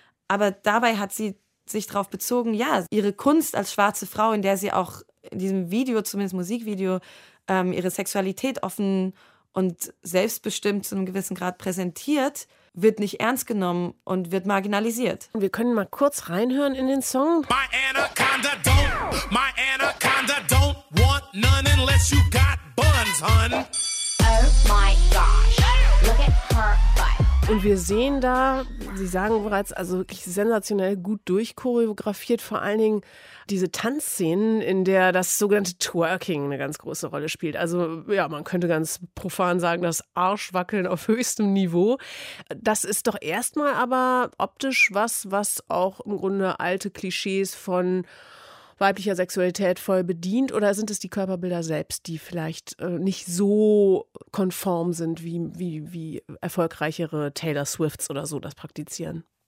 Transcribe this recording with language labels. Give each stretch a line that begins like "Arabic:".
German: Aber dabei hat sie sich darauf bezogen, ja, ihre Kunst als schwarze Frau, in der sie auch in diesem Video, zumindest Musikvideo, ihre Sexualität offen und selbstbestimmt zu einem gewissen Grad präsentiert, wird nicht ernst genommen und wird marginalisiert. Wir können mal kurz reinhören in den Song.
English: My Anaconda don't, my Anaconda don't want none unless you got buns, hun. Oh my gosh, look at her butt.
German: Und wir sehen da, Sie sagen bereits, also wirklich sensationell gut durchchoreografiert, vor allen Dingen diese Tanzszenen, in der das sogenannte Twerking eine ganz große Rolle spielt. Also ja, man könnte ganz profan sagen, das Arschwackeln auf höchstem Niveau. Das ist doch erstmal aber optisch was, was auch im Grunde alte Klischees von weiblicher Sexualität voll bedient, oder sind es die Körperbilder selbst, die vielleicht nicht so konform sind, wie erfolgreichere Taylor Swifts oder so das praktizieren?